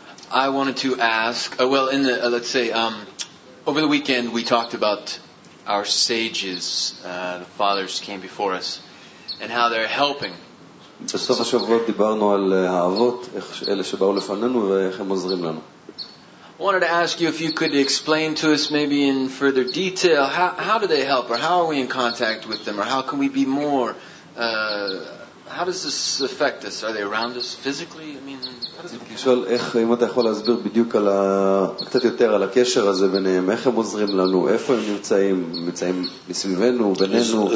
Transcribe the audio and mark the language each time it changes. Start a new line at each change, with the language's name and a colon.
English: I wanted to ask, well, in the, let's say, over the weekend we talked about our sages, the fathers came before us, and how they're helping.
Hebrew: בסוף השבוע דיברנו על האבות, אלה שבאו לפנינו ואיך הם עוזרים לנו.
English: I wanted to ask you if you could explain to us maybe in further detail how do they help, or how are we in contact with them, or how can we be more... How does this affect us? Are they around us physically? I mean,
Hebrew: כשואל איך, אם אתה יכול להסביר בדיוק על ה... קצת יותר על הקשר הזה ביניהם, איך הם עוזרים לנו, איפה הם נמצאים, נמצאים מסביבנו, בינינו?